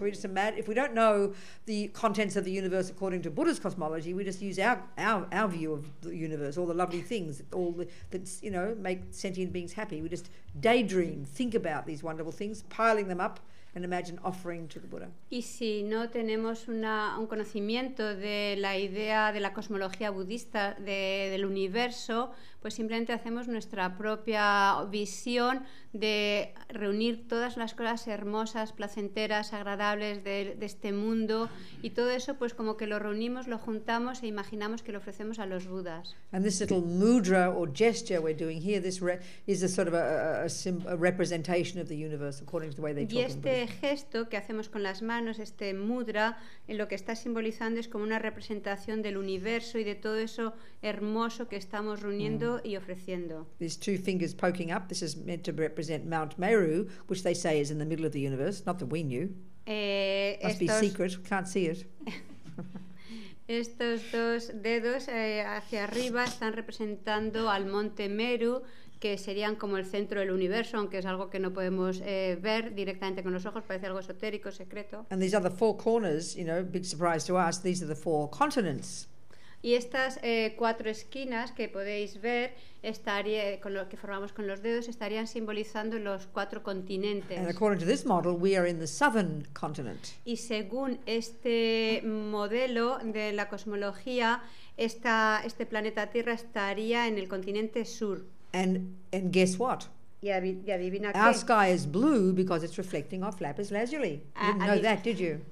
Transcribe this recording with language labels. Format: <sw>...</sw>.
<en>So we just imagine, if we don't know the contents of the universe according to Buddha's cosmology, we just use our view of the universe, all the lovely things, all the, that's, you know, make sentient beings happy. We just daydream, think about these wonderful things, piling them up and imagine offering to the Buddha.</en> <es>Y si no tenemos un conocimiento de la idea de la cosmología budista del universo, pues simplemente hacemos nuestra propia visión de reunir todas las cosas hermosas, placenteras, agradables de este mundo, y todo eso pues como que lo reunimos, lo juntamos e imaginamos que lo ofrecemos a los Budas.</es> <en>And this little mudra or gesture we're doing here, this is a sort of a representation of the universe according to the way they talk in Buddhism.</en> <es>Este gesto que hacemos con las manos, este mudra, lo que está simbolizando es como una representación del universo y de todo eso hermoso que estamos reuniendo y ofreciendo.</es> <en>These two fingers poking up, this is meant to represent Mount Meru, which they say is in the middle of the universe, not that we knew. Must be secret, can't see it.</en> <es>Estos dos dedos hacia arriba están representando al Monte Meru, que serían como el centro del universo, aunque es algo que no podemos ver directamente con los ojos, parece algo esotérico, secreto.</es> <en>And these are the four corners, you know, big surprise to us, these are the four continents.</en> <es>Y estas cuatro esquinas que podéis ver estaría, con lo que formamos con los dedos estarían simbolizando los cuatro continentes.</es> <en>And according to this model, we are in the southern continent.</en> <es>Y según este modelo de la cosmología, este planeta Tierra estaría en el continente sur.</es> <en>And guess what?</en> <es>Y adivina qué.</es> <en>Our sky is blue because it's reflecting off lapis lazuli. You didn't know that, did you?</en>